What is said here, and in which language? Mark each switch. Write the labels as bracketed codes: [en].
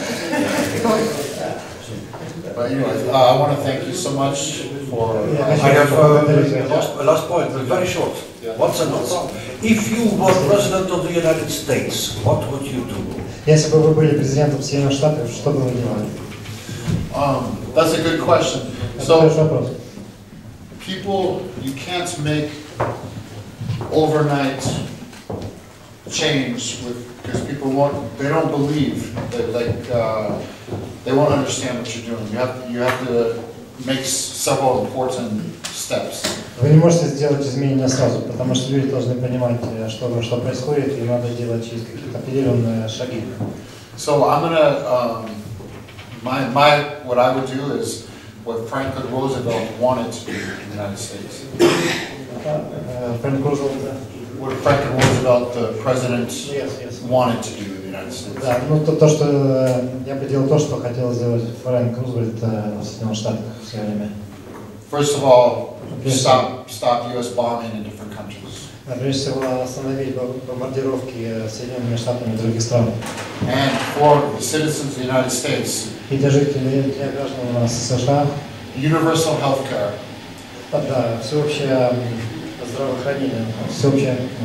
[en] But anyways, I want to thank you so much for. I have a last point, but very short. Yeah. What's another? If you were president of the United States, what would you do? [ru] Если бы вы были президентом Соединенных Штатов, что бы вы делали? [en] That's a good question. [ru] Хороший вопрос. [en] People, you can't make overnight change with because people don't believe that they won't understand what you're doing. You have to make several important steps. [ru] Вы не можете сделать изменения сразу, потому что люди должны понимать, что происходит, и надо делать через какие-то определенные шаги. [en] So I'm gonna my what I would do is what Franklin Roosevelt wanted to do in the United States. What Franklin Roosevelt, the president, wanted to do in the United States. [ru] Да, ну то что я бы делал то, что хотел сделать Франклин Рузвельт в Соединенных Штатах в свое время. [en] First of all, stop U.S. bombing in different countries. [ru] Прежде всего остановить бомбардировки Соединенными Штатами и других стран. [en] And for the citizens of the United States. [ru] И для жителей граждан США. [en] Universal health care. [ru] Да, всеобщее здравоохранение, всеобщее